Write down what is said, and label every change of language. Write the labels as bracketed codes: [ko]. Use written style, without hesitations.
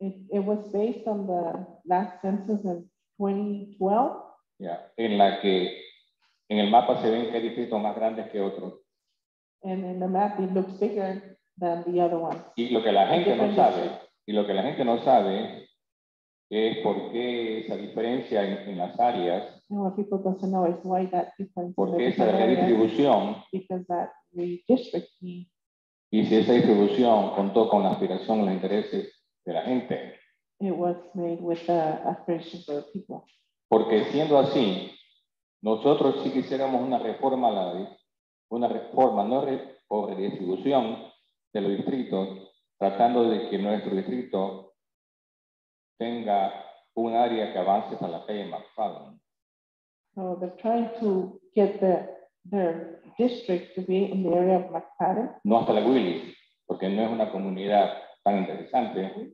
[en] It was based on the last census of 2012. [es] Yeah, en la que en el mapa se ven que hay distritos más grandes que otros. [en] And in the map it looks bigger than the other ones. [es] Y lo que la gente no sabe, y lo que la gente no sabe es por qué esa diferencia en las áreas. [en] And what people don't know is why that difference. [es] Porque esa redistribución. [en] Because that redistricting. [es] Y si esa distribución contó con la aspiración y los intereses de la gente. [en] It was made with the aspirations of the people. [es] Porque siendo así, nosotros si quisiéramos una reforma a la redistribución de los distritos, tratando de que nuestro distrito tenga un área que avance para la calle McFadden. [en] So they're trying to get their district to be in the area of McFadden. [es] No hasta la Willis, porque no es una comunidad tan interesante.